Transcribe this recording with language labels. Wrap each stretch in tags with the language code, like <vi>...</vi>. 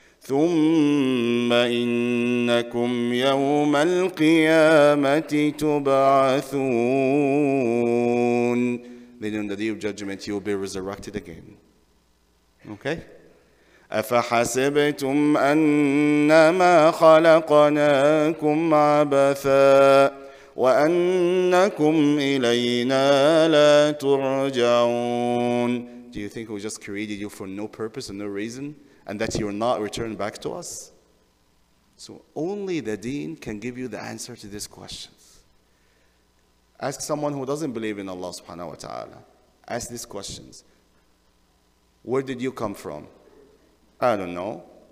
<ar>ثم إنكم يوم القيامة تبعثون.</ar> <en>Then on the day of judgment you will be resurrected again. Okay?</en> <ar>أفحسبتم أنما خلقناكم عبثا وأنكم إلينا لا ترجعون.</ar> <en>Do you think we just created you for no purpose and no reason? And that you're not returned back to us? So only the deen can give you the answer to these questions. Ask someone who doesn't believe in Allah subhanahu wa ta'ala. Ask these questions. Where did you come from? I don't know.</en>